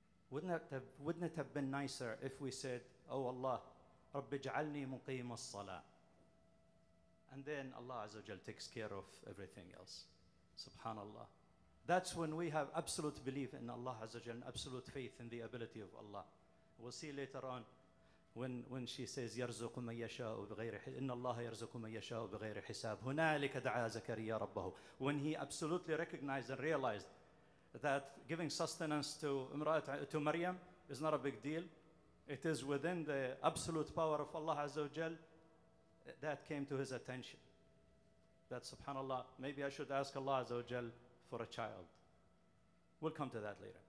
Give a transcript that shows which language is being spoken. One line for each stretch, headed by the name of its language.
English: Wouldn't it have been nicer if we said, oh Allah,
Arabic: رب اجعلني مقيم الصلاة.
English: And then Allah Azza wa Jal takes care of everything else. Subhanallah. That's when we have absolute belief in Allah Azza wa Jal, absolute faith in the ability of Allah. We'll see later on when she says,
Arabic: يرزق من يشاء بغير حساب. إن الله يرزق من يشاء بغير حساب. هنالك دعا زكريا ربه.
English: When he absolutely recognized and realized that giving sustenance to Maryam is not a big deal, it is within the absolute power of Allah Azza wa Jal that came to his attention. That subhanAllah, maybe I should ask Allah Azza wa Jal for a child. We'll come to that later.